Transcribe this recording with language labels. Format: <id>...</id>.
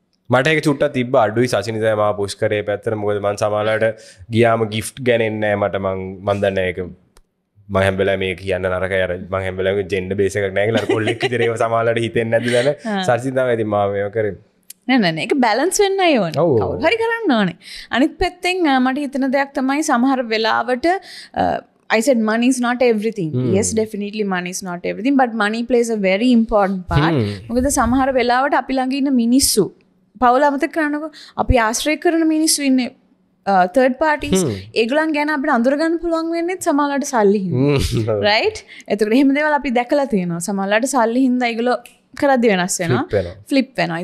<si>මට ඒක චුට්ටක් තිබ්බා අඩුයි සචිනි දැන් මාව පුෂ් කරේ පැත්තට. මොකද මං සමහරවිට ගියාම gift ගන්නේ නැහැ, මං දන්නේ ඒක මං හැම වෙලාවෙම මේ කියන්න නරකයි. අර මං හැම වෙලාවෙම ජෙන්ඩ බේස් එකක් නැහැ කියලා අර කොල්ලෙක් ඉදිරියේ ඒක සමාලලට හිතෙන්නේ නැති දැන සර්සින් තමයි. ඉතින් මම මේව කරේ නෑ නෑ නෑ, ඒක බැලන්ස් වෙන්නයි ඕනේ. කවුරු හරි කරන්න ඕනේ. අනිත් පැත්තෙන් මට හිතන දෙයක් තමයි සමහර වෙලාවට</si> <en>I said money is not everything. Yes, definitely money is not everything, but money plays a very important part.</en> <si>මොකද සමහර වෙලාවට අපි ළඟ ඉන්න මිනිස්සු පවුල අමතක කරනකො අපි ආශ්‍රය කරන මිනිස්සු ඉන්නේ third parties. ඒගොල්ලන් ගැන අපිට අඳුර ගන්න පුළුවන් වෙන්නේ සමාලලට සල්ලි හින්දා, right? එතකොට එහෙම දේවල් අපි දැකලා තියෙනවා. සමාලලට සල්ලි හින්දා ඒගොල්ලෝ කරද්දි වෙනස් වෙනවා, ෆ්ලිප් වෙනවා.</si>